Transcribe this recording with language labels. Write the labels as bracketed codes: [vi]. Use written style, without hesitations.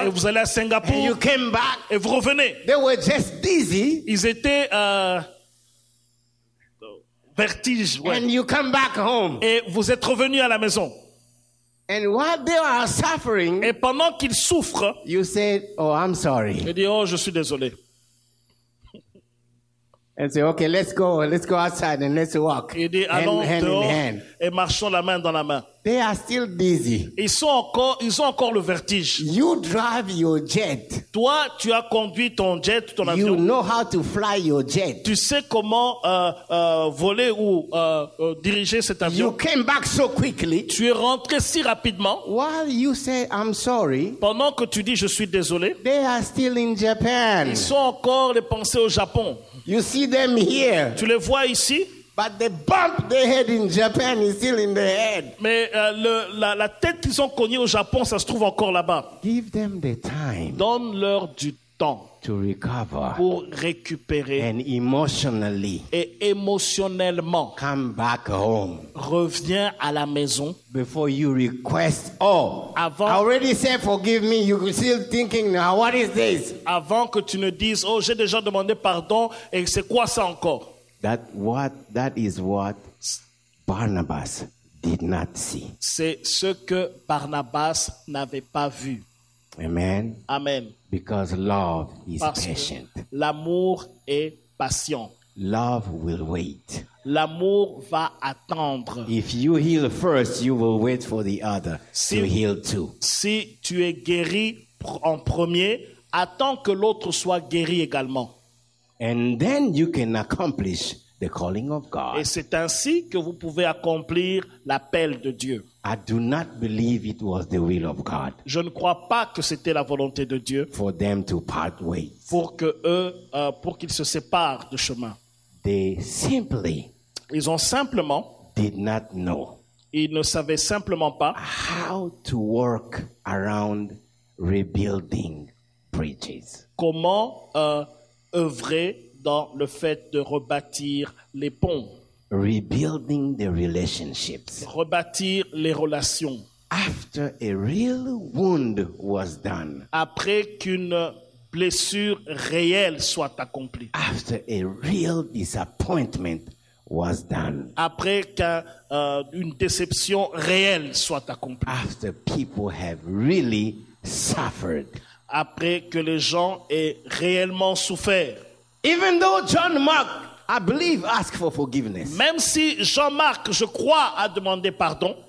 [fr] Et vous allez à Singapour. [en] And you came back. [fr] Et vous revenez. [en] They were just dizzy. [fr] Ils étaient vertige. Ouais. [en] And you come back home. [fr] Et vous êtes revenu à la maison. [en] And while they are suffering, [fr] et pendant qu'ils souffrent, [en] you said, "Oh, I'm sorry." [fr] Et dit, oh, je suis désolé. [en] And say, okay, let's go outside and let's walk. [fr] Il dit, allons [en] hand in hand. [fr] Et marchons la main dans la main. [en] They are still dizzy. [fr] Ils ont encore le vertige. [en] You drive your jet. [fr] Toi, tu as conduit ton jet, ton avion. [en] You know how to fly your jet. [fr] Tu sais comment voler ou diriger cet avion. [en] You came back so quickly. [fr] Tu es rentré si rapidement. [en] While you say I'm sorry. [fr] Pendant que tu dis je suis désolé. [en] They are still in Japan. [fr] Ils sont encore les pensées au Japon. [en] You see them here. [fr] Tu les vois ici. [en] But the bump they had in Japan is still in their head. [fr] Mais la tête qu'ils ont cognée au Japon, ça se trouve encore là-bas. [en] Give them the time. [fr] Donne-leur du temps. [en] To recover. [fr] Pour récupérer. [en] And emotionally. [fr] Et émotionnellement. [en] Come back home. [fr] Reviens à la maison. [en] Before you request, oh, [fr] avant, [en] I already said forgive me. You're still thinking now, what is this? [fr] Avant que tu ne dises, oh, j'ai déjà demandé pardon, et c'est quoi ça encore? [en] That is what Barnabas did not see. [fr] C'est ce que Barnabas n'avait pas vu. [en] Amen. [fr] Amen. [en] Because love is patient. [fr] L'amour est patient. [en] Love will wait. [fr] L'amour va attendre. [en] If you heal first, you will wait for the other to heal too. [fr] Si tu es guéri en premier, attends que l'autre soit guéri également. [en] And then you can accomplish the calling of God. [fr] Et c'est ainsi que vous pouvez accomplir l'appel de Dieu. [en] I do not believe it was the will of God. [fr] Je ne crois pas que c'était la volonté de Dieu. [en] For them to part ways. [fr] Pour qu'ils se séparent de chemin. [en] They simply. [fr] Ils ont simplement. [en] Did not know. [fr] Ils ne savaient simplement pas. [en] How to work around rebuilding bridges. [fr] Comment œuvrer dans le fait de rebâtir les ponts. [en] Rebuilding the relationships. [fr] Rebâtir les relations. [en] After a real wound was done. [fr] Après qu'une blessure réelle soit accomplie. [en] After a real disappointment was done. [fr] Après qu'une déception réelle soit accomplie. [en] After people have really suffered. [fr] Après que les gens aient réellement souffert. [en] Even though John Mark, I believe, asked for forgiveness. [fr] Même si Jean-Marc, je crois, a demandé pardon.